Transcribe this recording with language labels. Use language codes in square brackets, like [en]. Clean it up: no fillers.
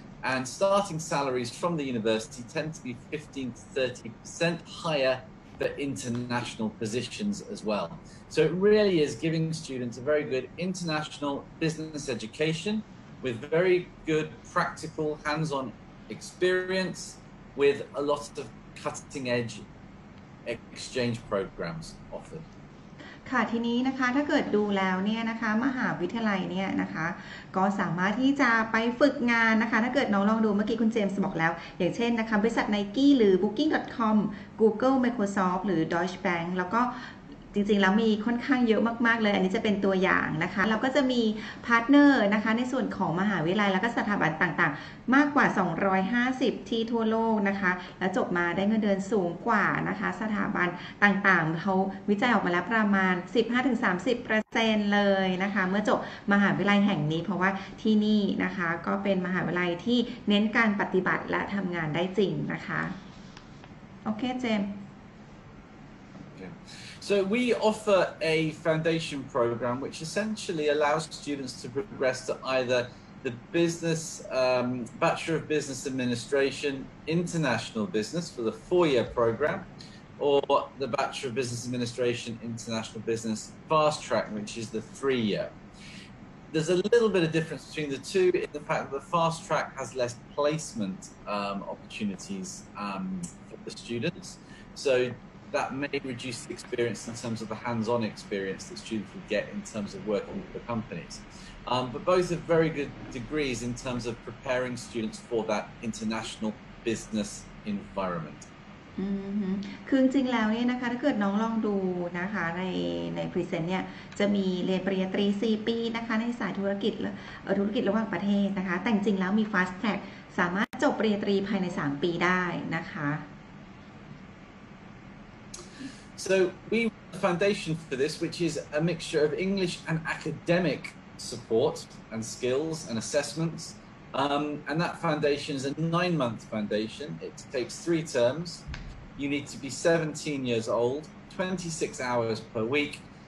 [en] And starting salaries from the university tend to be 15 to 30% higher for international positions as well. So it really is giving students a very good international business education with very good practical hands-on experience with a lot of cutting-edge exchange programs offered. [th] ค่ะทีนี้นะคะถ้าเกิดดูแล้วเนี่ยนะคะมหาวิทยาลัยเนี่ยนะคะก็สามารถที่จะไปฝึกงานนะคะถ้าเกิดน้องลองดูเมื่อกี้คุณเจมส์บอกแล้วอย่างเช่นนะคะบริษัท Nike หรือ booking.com Google Microsoft หรือ Deutsche Bank แล้วก็จริงๆแล้วมีค่อนข้างเยอะมากๆเลยอันนี้จะเป็นตัวอย่างนะคะเราก็จะมีพาร์ทเนอร์นะคะในส่วนของมหาวิทยาลัยแล้วก็สถาบันต่างๆมากกว่า 250ที่ทั่วโลกนะคะแล้วจบมาได้เงินเดือนสูงกว่านะคะสถาบันต่างๆเขาวิจัยออกมาแล้วประมาณ 15-30% เลยนะคะเมื่อจบมหาวิทยาลัยแห่งนี้เพราะว่าที่นี่นะคะก็เป็นมหาวิทยาลัยที่เน้นการปฏิบัติและทำงานได้จริงนะคะโอเคเจม [en] So we offer a foundation program which essentially allows students to progress to either the business, Bachelor of Business Administration, International Business for the 4-year program, or the Bachelor of Business Administration, International Business Fast Track, which is the 3-year. There's a little bit of difference between the two in the fact that the Fast Track has less placement opportunities for the students. So,that may reduce the experience in terms of the hands-on experience that students would get in terms of working with the companies. But both are very good degrees in terms of preparing students for that international business environment. [th] คือจริงแล้วเนี่ยนะคะถ้าเกิดน้องลองดูนะคะในพรีเซนต์เนี่ยจะมีเรียนปริญญาตรี4ปีนะคะในสายธุรกิจระหว่างประเทศนะคะแต่จริงแล้วมี Fast Track สามารถจบปริญญาตรีภายใน3ปีได้นะคะ [en] So we have a foundation for this, which is a mixture of English and academic support and skills and assessments. And that foundation is a 9-month foundation. It takes 3 terms. You need to be 17 years old, 26 hours per week.